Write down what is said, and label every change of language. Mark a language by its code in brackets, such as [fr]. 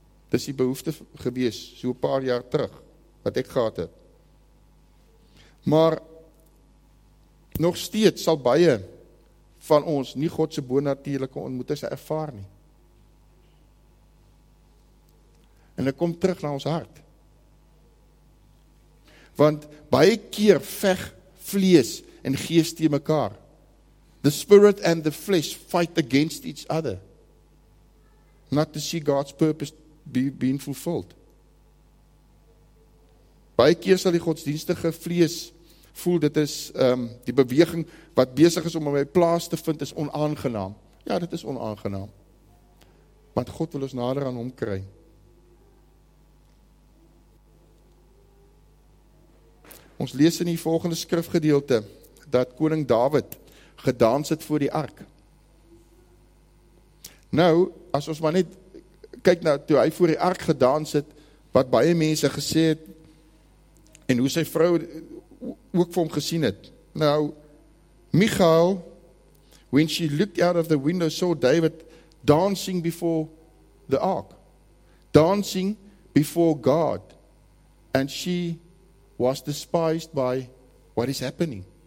[af] Dis die behoefte gewees, so 'n paar jaar terug, wat ek gehad het. Maar, nog steeds sal baie van ons nie Godse bonatuurlijke ontmoetings ervaar nie. En dit kom terug na ons hart. Want baie keer veg vlees en gees teen mekaar. [en] The spirit and the flesh fight against each other. Not to see God's purpose being fulfilled. [af] Baie keer sal die godsdienstige vlees voel dit is die beweging wat besig is om my plaas te vind is onaangenaam. Ja, dit is onaangenaam. Want God wil ons nader aan hom kry. Ons lees in die volgende skrifgedeelte dat koning Dawid gedans het voor die ark. Nou, as ons maar net kyk na toe hy voor die ark gedans het, wat baie mense gesê het, en hoe sy vrou ook vir hom gesien het. [en] Nou, Michal, when she looked out of the window, saw David dancing before the ark, dancing before God, and she was despised by what is happening.